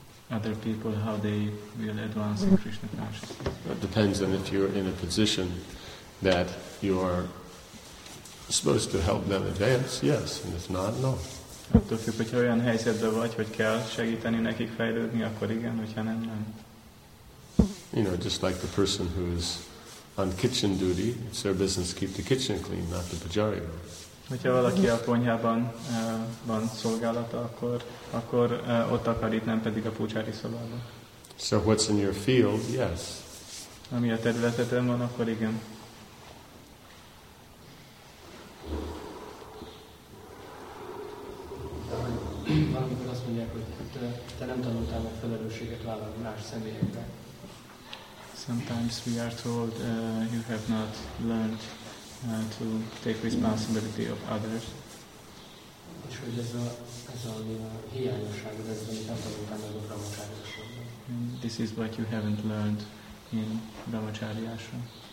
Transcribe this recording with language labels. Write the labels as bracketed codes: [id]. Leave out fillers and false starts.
[en] Other people, how they will advance in Krishna consciousness. It depends on if you're in a position that you are supposed to help them advance, yes, and if not, no. [hu] Attól függ, hogyha olyan helyzetben vagy, hogy kell segíteni nekik fejlődni, akkor igen, hogyha nem, nem. [en] You know, just like the person who is on kitchen duty, it's their business to keep the kitchen clean, not the pujari room. [hu] Hogyha valaki a konyhában van szolgálata, akkor ott takarít, nem pedig a pujári szobában. [en] So what's in your field, yes. [hu] Ami a területeden van, akkor igen. Valamikor azt mondják, hogy te nem tanultál meg felelősséget vállalni más személyekre. [en] Sometimes we are told you have not learned to take responsibility of others. [hu] És hogy ez a hiányosság, ez az, amit nem tanultál meg a brahmacharyáson. [en] This is what you haven't learned in brahmacharyáson.